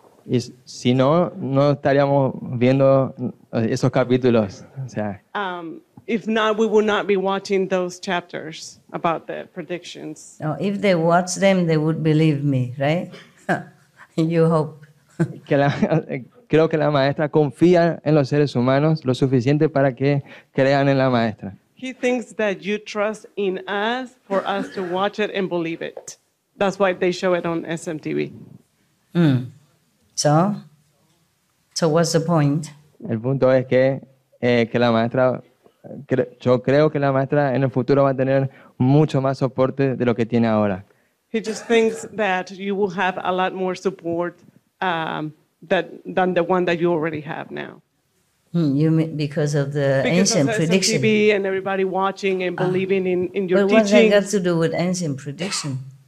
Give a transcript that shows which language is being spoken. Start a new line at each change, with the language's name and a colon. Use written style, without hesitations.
Spanish: Y si no, no estaríamos viendo esos capítulos. O sea,
English: if not, we would not be watching those chapters about the predictions. Oh, if they watch them, they would believe me, right? You hope.
Spanish: Creo que la maestra confía en los seres humanos lo suficiente para que crean en la maestra.
English: He thinks that you trust in us for us to watch it and believe it. That's why they show it on SMTV. Mm. So what's the point?
Spanish: El punto es que la maestra, yo creo que la maestra en el futuro va a tener mucho más soporte de lo que tiene ahora.
English: He just thinks that you will have a lot more support than the one that you already have now. You mean because of the ancient prediction? Because of SMTV and everybody watching and believing in your But what has that got to do with ancient prediction?